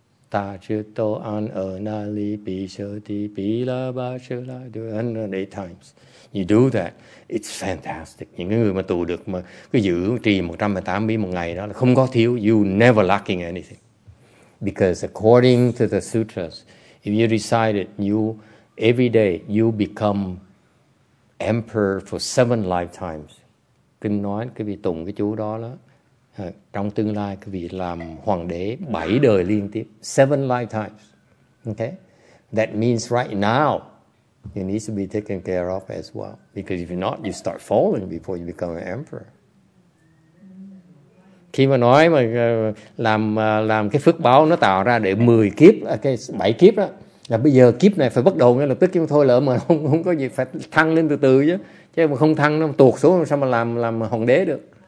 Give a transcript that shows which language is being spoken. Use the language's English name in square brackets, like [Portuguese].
[Sanskrit] Ta Chư Tô An Ở Na Li Pi Sơ Ti Pi La Ba Sơ La [English] 108 times. You do that, it's fantastic. [Vietnamese] Những người mà tu được mà cứ giữ trì 108 bí một ngày đó là không có thiếu. [English] You never lacking anything. Because according to the sutras, if you recite it, you every day you become emperor for 7 lifetimes. [Vietnamese] Kinh nói cái vị tụng cái chú đó đó, trong tương lai cái vị làm hoàng đế 7 đời liên tiếp, [English] 7 lifetimes. Okay? That means right now you need to be taken care of as well. Because if you're not, you start falling before you become an emperor. [Vietnamese] Khi mà nói mà làm cái phước báo nó tạo ra để 10 kiếp, okay, 7 kiếp đó, là bây giờ kiếp này phải bắt đầu ngay lập tức, nhưng thôi lỡ mà không có gì, phải thăng lên từ từ chứ. Chứ mà không thăng nó tuột xuống sao mà làm hoàng đế được.